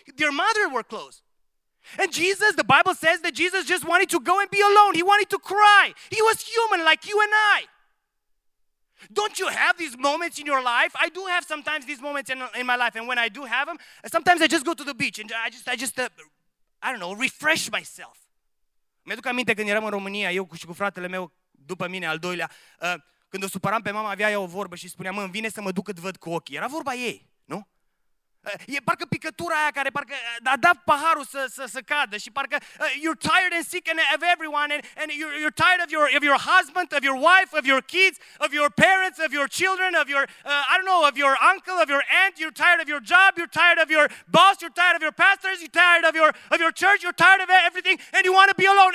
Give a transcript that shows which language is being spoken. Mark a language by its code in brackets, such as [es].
[en] Their mother were close. And Jesus, the Bible says that Jesus just wanted to go and be alone. He wanted to cry. He was human like you and I. Don't you have these moments in your life? I do have sometimes these moments in my life. And when I do have them, sometimes I just go to the beach and I just refresh myself. [ro] Mi-aduc aminte când eram în România, eu și cu fratele meu, după mine, al doilea, când o supăram pe mama, avea ea o vorbă și spunea, mă, vine să mă duc cât văd cu ochii. Era vorba ei, nu? E parcă picătura aia care parcă a dat paharul să cadă și parcă [en] you're tired and sick of everyone and you're tired of your husband, of your wife, of your kids, of your parents, of your children, of your, of your uncle, of your aunt, you're tired of your job, you're tired of your boss, you're tired of your pastors, you're tired of your church, you're tired of everything and you want to be alone.